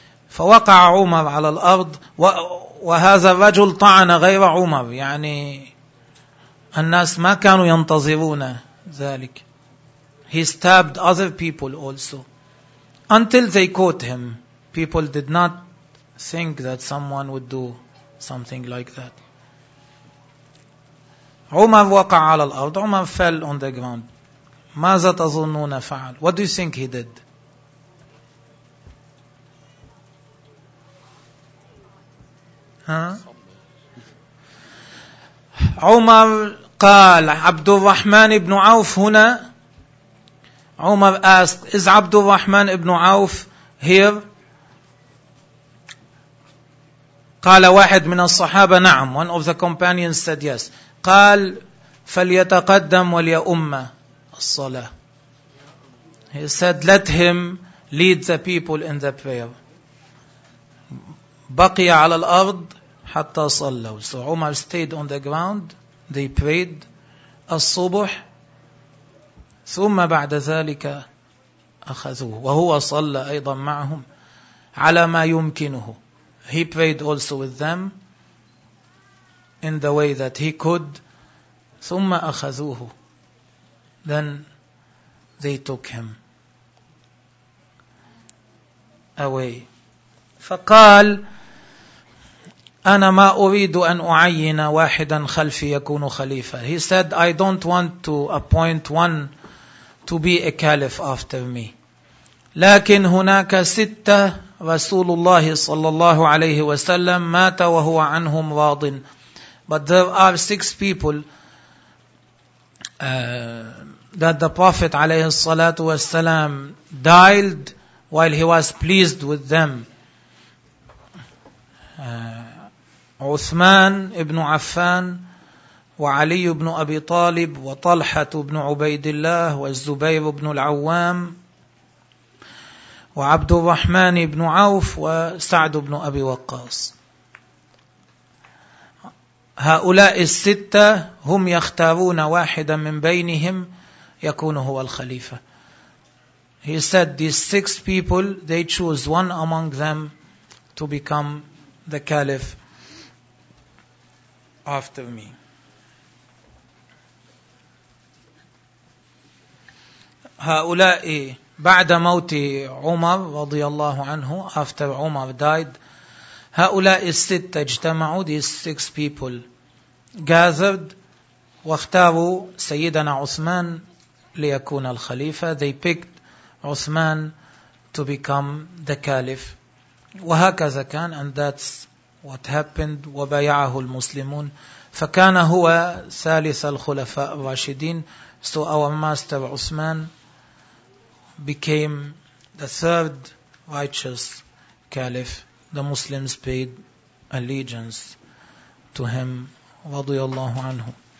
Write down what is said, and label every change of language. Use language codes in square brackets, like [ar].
[ar] فوقع عمر على الأرض وهذا الرجل طعن غير عمر. يعني الناس ما كانوا ينتظرون ذلك. [en] He stabbed other people also until they caught him. People did not think that someone would do something like that. [ar] عمر وقع على الأرض. [en] عمر fell on the ground. [ar] ماذا تظنون فعل? [en] What do you think he did? [ar] عمر قال عبد الرحمن بن عوف هنا. [en] عمر asked, is عبد الرحمن بن عوف here? [ar] قال واحد من الصحابة نعم. [en] One of the companions said yes. [ar] قال فليتقدم وليأم الصلاة. [en] He said, let him lead the people in the prayer. [ar] بقي على الأرض حتى صلوا. [en] So عمر stayed on the ground. They prayed [ar] الصبح ثم بعد ذلك أخذوه. وهو صلى أيضا معهم على ما يمكنه. [en] He prayed also with them in the way that he could. [ar] ثم أخذوه. [en] Then they took him away. [ar] فقال أنا ما أريد أن أعين واحدا خلفي يكون خليفة. [en] He said, I don't want to appoint one to be a caliph after me. [ar] لكن هناك ستة رسول الله صلى الله عليه وسلم مات وهو عنهم راض. [en] But there are six people that the Prophet عليه الصلاة والسلام died while he was pleased with them. [ar] عثمان ابن عفان وعلي ابن أبي طالب وطلحة ابن عبيد الله والزبير ابن العوام وعبد الرحمن ابن عوف وسعد ابن أبي وقاص. هؤلاء الستة هم يختارون واحدا من بينهم يكون هو الخليفة. [en] He said, these six people, they choose one among them to become the caliph after me. [ar] هؤلاء بعد موت عمر رضي الله عنه, [en] after عمر died, [ar] هؤلاء الستة اجتمعوا, [en] these six people gathered, [ar] واختاروا سيدنا عثمان ليكون الخليفة. [en] They picked عثمان to become the caliph. [ar] وهكذا كان, [en] and that's what happened. [ar] وبايعه المسلمون فكان هو ثالث الخلفاء الراشدين. [en] So our master Uthman became the third righteous caliph. The Muslims paid allegiance to him رضي الله عنه.